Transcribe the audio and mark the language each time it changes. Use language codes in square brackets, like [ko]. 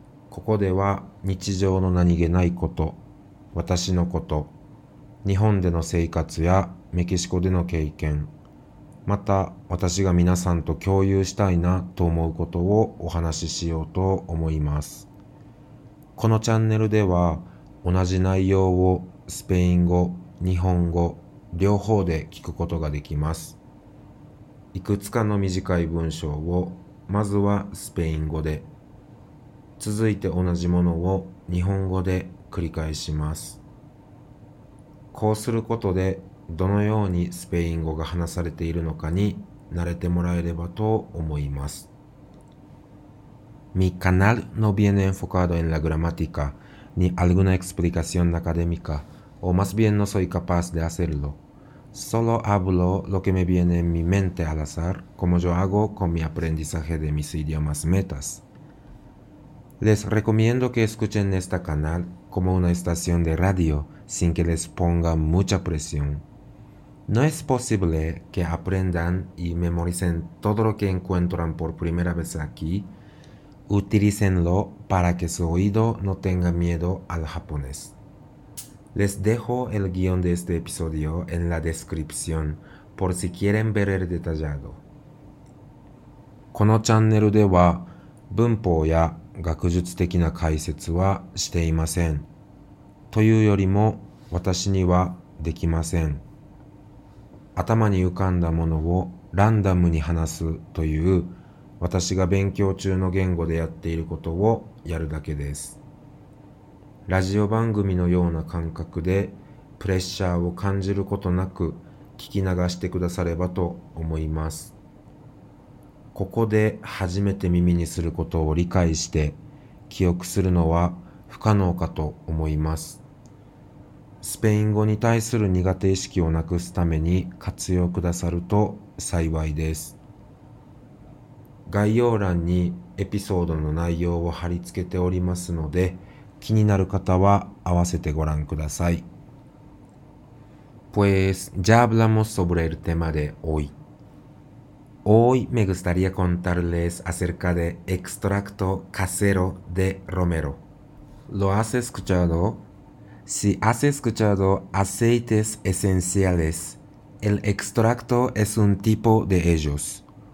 [ja] Koko de wa nichijou no nanige nai koto, watashi no koto, Nihon de no seikatsu ya Mekishiko de no keiken, また私が皆さんと共有したいなと思うことをお話ししようと思います。このチャンネルでは同じ内容をスペイン語、日本語、両方で聞くことができます。いくつかの短い文章をまずはスペイン語で、続いて同じものを日本語で繰り返します。こうすることでどのようにスペイン語が話されているのかに慣れてもらえればと思います。 [es] Mi canal no viene enfocado en la gramática ni alguna explicación académica, o más bien no soy capaz de hacerlo. Solo hablo lo que me viene en mi mente al azar, como yo hago con mi aprendizaje de mis idiomas metas. Les recomiendo que escuchen este canal como una estación de radio sin que les ponga mucha presión. No es posible que aprendan y memoricen todo lo que encuentran por primera vez aquí. Utilícenlo para que su oído no tenga miedo al japonés. Les dejo el guión de este episodio en la descripción por si quieren ver el detallado. [ja] このチャンネルでは文法や学術的な解説はしていません。というよりも私にはできません。頭に浮かんだものをランダムに話すという私が勉強中の言語でやっていることをやるだけです。ラジオ番組のような感覚でプレッシャーを感じることなく聞き流してくださればと思います。ここで初めて耳にすることを理解して記憶するのは不可能かと思います。スペイン語に対する苦手意識をなくすために活用くださると幸いです。概要欄にエピソードの内容を貼り付けておりますので、気になる方は合わせてご覧ください。 [es] Pues ya hablamos sobre el tema de hoy. Hoy me gustaría contarles acerca de extracto casero de romero. ¿Lo has escuchado? Si has escuchado aceites esenciales, el extracto es un tipo de ellos.